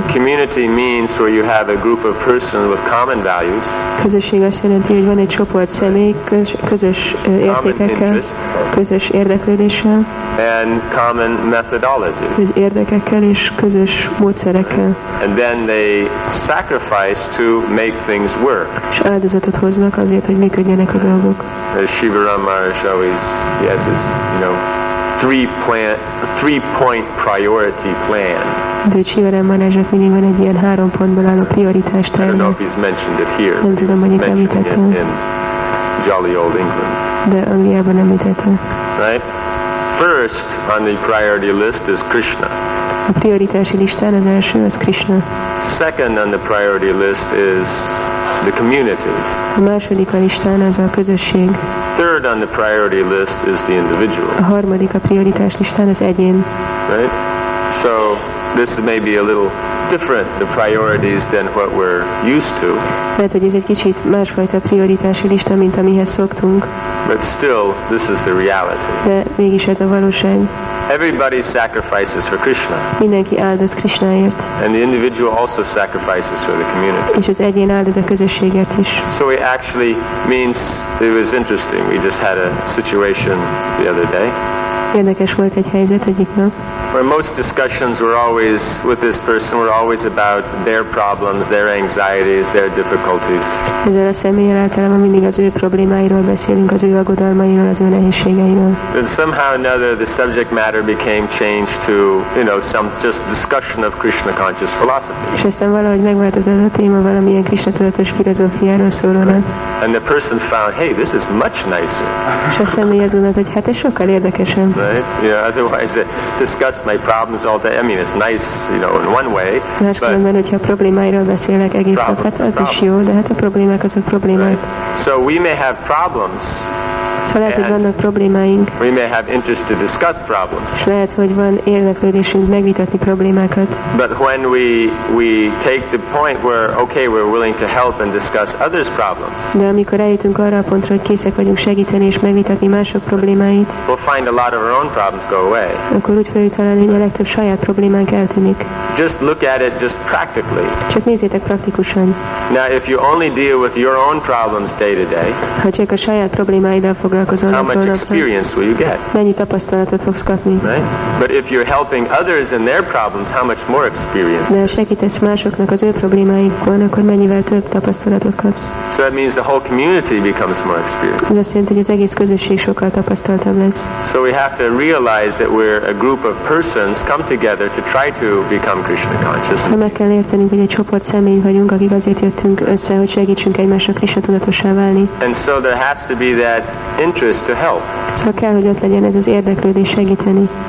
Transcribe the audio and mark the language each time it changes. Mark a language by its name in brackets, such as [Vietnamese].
[English] Community means where you have a group of persons with common values. [Hungarian] Közösség azt jelenti, hogy van egy csoport személy, közös értékekkel, közös érdeklődéssel. [English] And common methodology. [Hungarian] Az érdekekkel és közös módszerekkel. [English] And then they sacrifice to make things work. [Hungarian] És áldozatot hoznak azért, hogy működjenek a dolgok. [English] As Shivaram Maharaj always, he has his, you know, three-point priority plan. [Hungarian] De Shivaram Maharajnak mindig van egy ilyen három pontból álló prioritás terve. [English] I don't know if he's mentioned it here. [Hungarian] Nem tudom, hogy itt említette. [English] In jolly old England. [Hungarian] De Angliában említette. [English] Right? First on the priority list is Krishna. [Hungarian] A prioritási listán az első az Krishna. [English] Second on the priority list is the community. [Hungarian] A második a listán az a közösség. [English] Third on the priority list is the individual. [Hungarian] A harmadik a prioritás listán az egyén. [English] Right? So this may be a little different, the priorities, than what we're used to. [Hungarian] Mert hogy ez egy kicsit másfajta prioritási lista, mint amihez szoktunk. [English] But still, this is the reality. [Hungarian] De mégis ez a valóság. [English] Everybody sacrifices for Krishna. [Hungarian] Mindenki áldoz Krishnaért. [English] And the individual also sacrifices for the community. [Hungarian] És az egyén áldoz a közösségért is. [English] So it actually means, it was interesting, we just had a situation the other day. [Hungarian] Érdekes volt egy helyzet egyik nap. [English] Where most discussions were always with this person were always about their problems, their anxieties, their difficulties. [Hungarian] Ezzel a személlyel általában mindig az ő problémáiról beszélünk, az ő aggodalmairól, az ő nehézségeiről. [English] But somehow or another the subject matter became changed to, you know, some just discussion of Krishna conscious philosophy. [Hungarian] És aztán valahogy megváltozott a téma valamilyen Krishna tudatos filozófiáról szólóra. [English] And the person found, hey, this is much nicer. [Hungarian] És a személy azt gondolta, hogy hát ez sokkal érdekesebb. [English] Right? Yeah, otherwise discuss my problems all day. I mean, it's nice, you know, in one way. [Hungarian] Máskülönben, hogyha problémáiról beszélek egész nap, hát az is jó, de hát a problémák azok problémák. [English] Right. So we may have problems. [Hungarian] Szóval lehet, hogy vannak problémáink. [English] We may have interest to discuss problems. [Hungarian] És lehet, hogy van érdeklődésünk megvitatni problémákat. [English] But when we take the point where, okay, we're willing to help and discuss others' problems. [Hungarian] De amikor eljutunk arra a pontra, hogy készek vagyunk segíteni és megvitatni mások problémáit. [English] We'll find a lot of our own problems go away. [Hungarian] Akkor úgy fogjuk találni, hogy a legtöbb saját problémánk eltűnik. [English] Just look at it just practically. [Hungarian] Csak nézzétek praktikusan. [English] Now, if you only deal with your own problems day to day. [Hungarian] Ha csak a saját problémáiddal fog. [English] How much experience will you get? [Hungarian] Mennyi tapasztalatot fogsz kapni? [English] But if you're helping others in their problems, how much more experience? [Hungarian] De ha segítesz másoknak az ő problémáikban, akkor mennyivel több tapasztalatot kapsz? [English] So that means the whole community becomes more experienced. [Hungarian] Ez azt jelenti, hogy az egész közösség sokkal tapasztaltabb lesz. [English] So we have to realize that we're a group of persons come together to try to become Krishna conscious. [Hungarian] De meg kell értenünk, hogy egy csoport személy vagyunk, akik azért jöttünk össze, hogy segítsünk egymásnak Krishna tudatossá válni. [English] And so there has to be that interest to help. [Hungarian] Szóval kell, hogy ott legyen ez az érdeklődés segíteni.